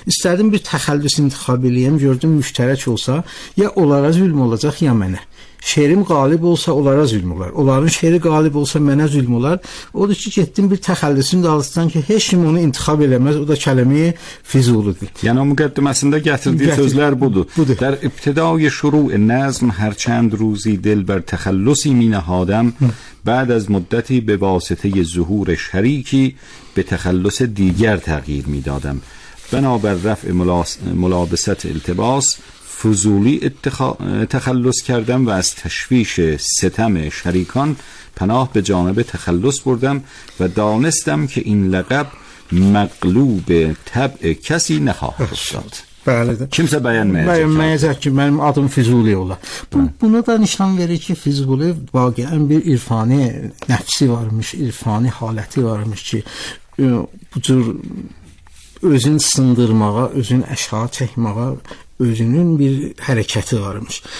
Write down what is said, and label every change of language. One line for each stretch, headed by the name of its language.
Azerbaijani: İstədim bir təxəllüs intixab eləyəm, gördüm müştərək olsa, ya onlara zülm olacaq, ya mənə. Şeirim qalib olsa onlara zülm olar, onların şeiri qalib olsa mənə zülm olar. Odur ki, getdim bir təxəllüsün dalısından ki, heç kim onu intixab eləməz, o da kəlimi Füzulidir. Yəni, o müqəddiməsində gətirdiyi sözlər budur. Budur.
Persian: Dər ibtidai şuru nəzm hərçənd ruzi dil bər təxəllüsi minəhadəm, بعد از مدتی به واسطه ظهور شریکی به تخلص دیگر تغییر میدادم. بنابر رفع ملابست التباس، فضولی تخلص کردم و از تشویش ستم شریکان پناه به جانب تخلص بردم و دانستم که این لقب مقلوب طبع کسی نخواهد شد.
Azerbaijani: Bəlidir. Kimsə bəyənməyəcək. Bəyənməyəcək ki, mənim adım Füzuli ola. Bunu da nişan verir ki, Füzuli vaqiən bir irfani nəfsi varmış, irfani haləti varmış ki, bu cür özün sındırmağa, özün aşağı çəkmağa, özünün bir hərəkəti varmış.